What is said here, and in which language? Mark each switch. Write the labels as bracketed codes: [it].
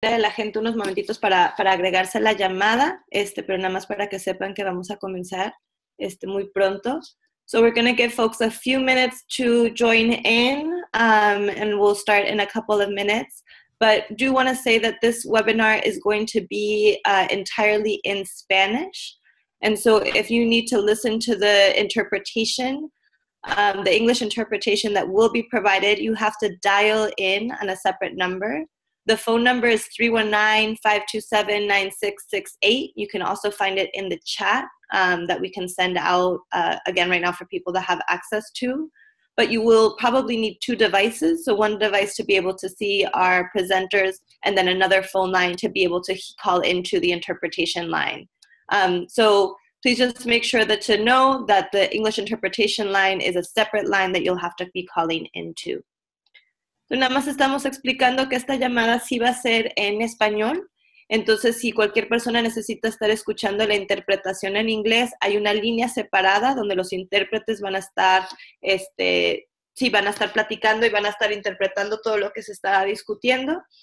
[es] A la gente unos momentitos para agregarse a la llamada, pero nada más para que sepan que vamos a comenzar muy pronto. [en] So we're going to give folks a few minutes to join in and we'll start in a couple of minutes. But do want to say that this webinar is going to be entirely in Spanish. And so if you need to listen to the interpretation, the English interpretation that will be provided, you have to dial in on a separate number. The phone number is 319-527-9668. You can also find it in the chat that we can send out, again, right now for people to have access to. But you will probably need two devices, so one device to be able to see our presenters and then another phone line to be able to call into the interpretation line. So please just make sure that to know that the English interpretation line is a separate line that you'll have to be calling into. [es] Nada más estamos explicando que esta llamada sí va a ser en español. Entonces, si cualquier persona necesita estar escuchando la interpretación en inglés, hay una línea separada donde los intérpretes van a estar, van a estar platicando y van a estar interpretando todo lo que se está discutiendo.